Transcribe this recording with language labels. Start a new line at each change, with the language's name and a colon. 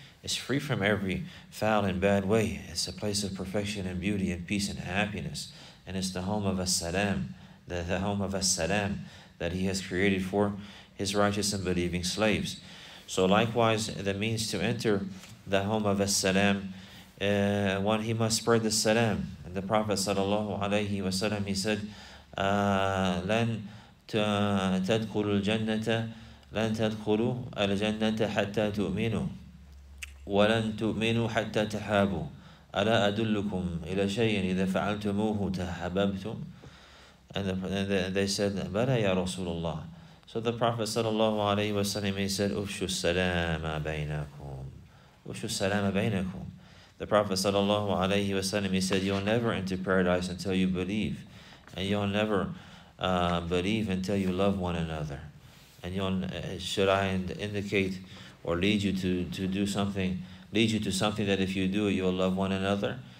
English: It's free from every foul and bad way. It's a place of perfection and beauty and peace and happiness. And it's the home of as-Salam, the home of as-Salam that He has created for His righteous and believing slaves. So likewise, the means to enter the home of as-Salam, one, he must spread the salam. And the Prophet sallallahu alayhi wa sallam, he said,
Arabic: لن تدخل الجنة لن تدخل الجنة حتى تؤمنوا ولن تؤمنوا حتى تحابوا ألا أدلكم إلى شيء إذا فعلتموه تحببتم.
English: And they said,
Arabic: بلى يا رسول الله.
English: So the Prophet
Arabic: صلى الله عليه وسلم,
English: he said,
Arabic: أفشوا السلام بينكم. أفشوا السلام بينكم.
English: The Prophet صلى الله عليه وسلم, he said, you'll never enter paradise until you believe. And you'll never believe until you love one another. And you'll, should I indicate or lead you to do something, lead you to something that if you do it, you'll love one another?